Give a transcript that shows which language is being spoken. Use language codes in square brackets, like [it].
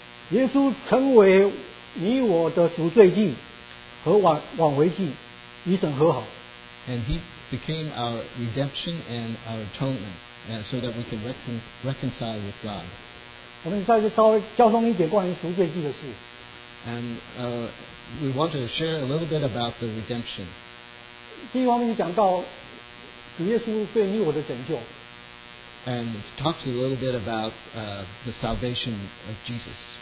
[zh] 耶稣成为你我的赎罪祭和挽回祭，与神和好。 [en] And he became our redemption and our atonement, so that we can reconcile with God. [zh] 我们再次稍微交通一点关于赎罪祭的事。 [en] And we want to share a little bit about the redemption. [zh] 第一方面就讲到主耶稣对你我的拯救。 [en] And talks a little bit about the salvation of Jesus.